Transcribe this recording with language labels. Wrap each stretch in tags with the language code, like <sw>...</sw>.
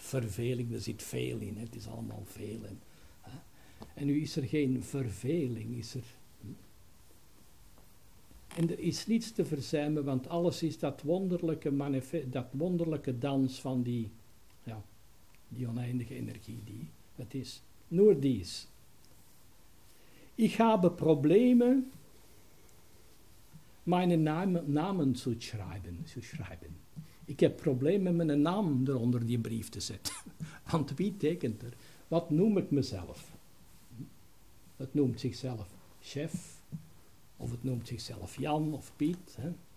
<nl>Verveling, daar zit veel in. Hè? Het is allemaal veel. Hè? En nu is er geen verveling. Is er, en er is niets te verzuimen, want alles is dat wonderlijke, dat wonderlijke dans van die, ja, die oneindige energie die het is.</nl> <de>Nur dies. Ich habe Probleme, meine Namen zu schreiben.</de> <nl>Ik heb problemen met mijn naam eronder die brief te zetten. Want wie tekent er? Wat noem ik mezelf? Het noemt zichzelf chef, of het noemt zichzelf Jan of Piet. Hè?</nl>